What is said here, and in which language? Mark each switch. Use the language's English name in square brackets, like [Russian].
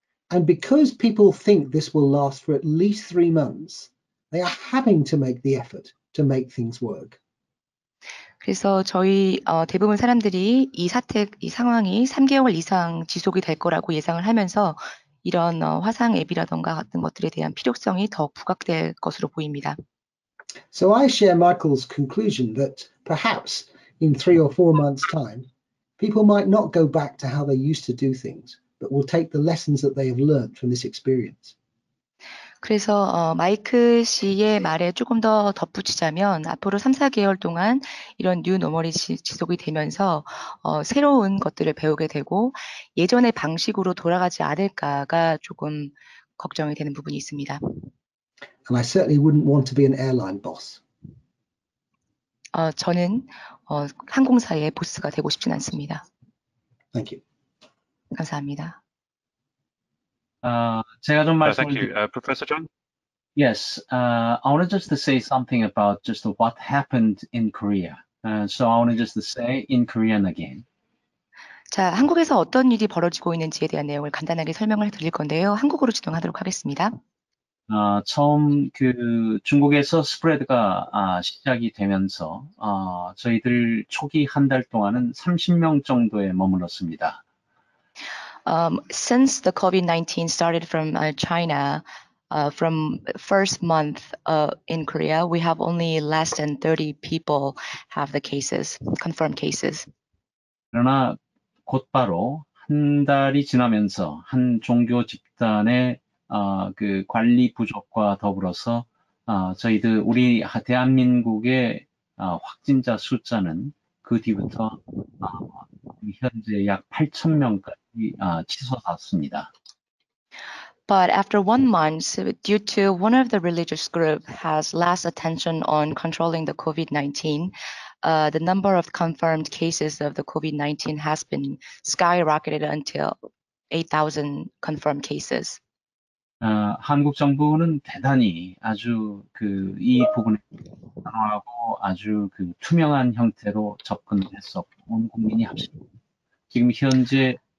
[English] And because people think this will last for at least 3 months, they are having to make the effort to make things work. [Korean] 그래서 저희 대부분 사람들이 이 상황이 3개월 이상 지속이 될 거라고 예상을 하면서 이런 화상 앱이라든가 같은 것들에 대한 필요성이 더 부각될 것으로 보입니다. [English] So I share Michael's conclusion that perhaps in 3 or 4 months' time, people might not go back to how they used to do things, but will take the lessons that they have learned from this experience. [Korean] 그래서 마이클 씨의 말에 조금 더 덧붙이자면 앞으로 3-4개월 동안 이런 뉴 노멀이 지속이 되면서 새로운 것들을 배우게 되고 예전의 방식으로 돌아가지 않을까가 조금 걱정이 되는 부분이 있습니다. [English] And I certainly wouldn't want to be an airline boss. [Korean] 저는 항공사의 보스가 되고 싶진 않습니다. [English] Thank you. [Korean] 감사합니다. 제가 좀 말씀을 드릴게요. [English] Thank you, Professor John. Yes, I want to just say something about just what happened in Korea. So I want to just say in Korean again. [Korean] 자, 한국에서 어떤 일이 벌어지고 있는지에 대한 내용을 간단하게 설명을 드릴 건데요. 한국어로 진행하도록 하겠습니다. 처음 그 중국에서 스프레드가 시작이 되면서 저희들 초기 한 달 동안은 30명 정도에 머물렀습니다. [English] Since the COVID-19 started from China, from first month in Korea, we have only less than 30 people have the cases, confirmed cases. [Korean] 그러나 곧바로 한 달이 지나면서 한 종교 집단의 그 관리 부족과 더불어서 저희들 우리 대한민국의 확진자 숫자는 그 뒤부터 현재 약 8천 명까지 치솟았습니다. [English] But after 1 month, due to one of the religious group has less attention on controlling the COVID-19, the number of confirmed cases of the COVID-19 has been skyrocketed until 8,000 confirmed cases. [Korean] 한국 정부는 대단히 아주 그 이 부분에 단호하고 아주 그 투명한 형태로 접근을 했었고 온 국민이 합심했고 지금 현재